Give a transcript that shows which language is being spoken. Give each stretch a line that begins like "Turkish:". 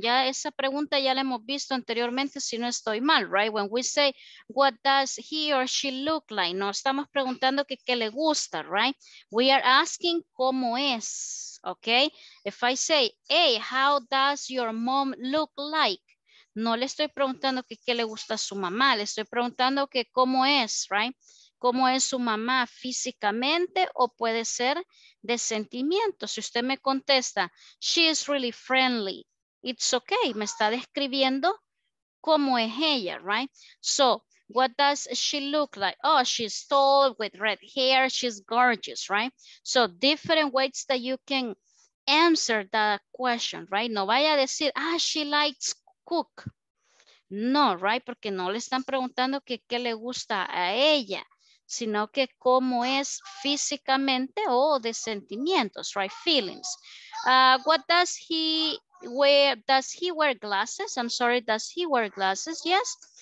Spanish: Ya esa pregunta ya la hemos visto anteriormente, si no estoy mal, right?
English: When we say, what does he or she look like?
Spanish: No, estamos preguntando que qué le gusta, right?
English: We are asking
Spanish: cómo es, okay?
English: If I say, hey, how does your mom look like?
Spanish: No le estoy preguntando que qué le gusta a su mamá, le estoy preguntando que cómo es, right? ¿Cómo es su mamá físicamente o puede ser de sentimiento? Si usted me contesta,
English: she is really friendly, it's okay.
Spanish: Me está describiendo cómo es ella, right?
English: So, what does she look like? Oh, she's tall with red hair, she's gorgeous, right? So, different ways that you can answer that question, right?
Spanish: No vaya a decir, ah,
English: she likes cook.
Spanish: No, right? Porque no le están preguntando que qué le gusta a ella, sino que cómo es físicamente o de sentimientos, right?
English: Feelings. What does he wear? Does he wear glasses? I'm sorry, does he wear glasses? Yes.